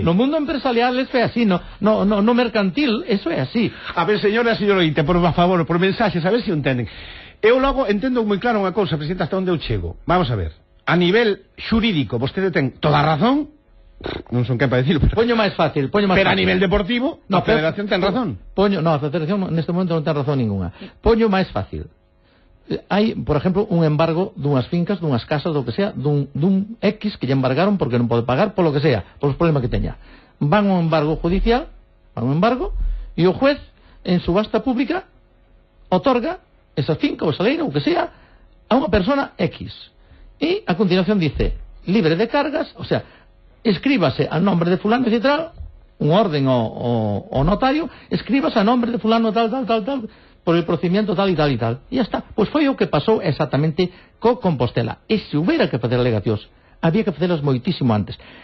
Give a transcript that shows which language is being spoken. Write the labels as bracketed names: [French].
[Galician] No mundo empresarial eso é así, no mercantil, eso é así. A ver, señora, señorita, por favor, por mensaxes, a ver si entenden. Eu logo entendo moi claro unha cousa, presidenta, hasta onde eu chego. Vamos a ver. A nivel xurídico, vostede ten toda a razón. Non son quen para decirlo. Pero... Poño máis fácil, poño máis pero fácil. A nivel deportivo, no, a Federación ten razón. Poño, no, a Federación neste momento non ten razón ninguna. Poño máis fácil. Hai, por exemplo, un embargo dunhas fincas, dunhas casas, do que sea, dun X que lle embargaron porque non pode pagar, polo que sea, polos problemas que teña. Van un embargo judicial, van un embargo, e o juez, en subasta pública, otorga esa finca ou esa leina, o que sea, a unha persona X. [Spanish] E a continuación dice, libre de cargas, o sea, escríbase a nombre de fulano, etc., un orden o notario, escríbase a nombre de fulano tal, por el procedimiento tal. E ya está. [Galician] Pues foi o que pasou exactamente co Compostela. E se hubiera que facer alegacións, había que facelas moitísimo antes.